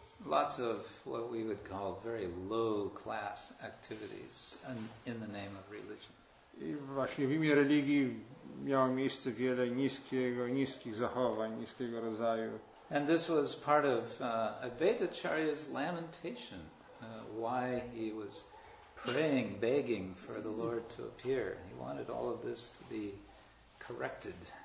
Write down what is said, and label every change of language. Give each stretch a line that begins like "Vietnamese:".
English: Lots of what we would call very low class activities in the name of religion.
Polish: I właśnie w imię religii miało miejsce wiele niskich zachowań, niskiego rodzaju.
English: And this was part of Advaita Acharya's lamentation. Why he was praying, begging for the Lord to appear. He wanted all of this to be corrected.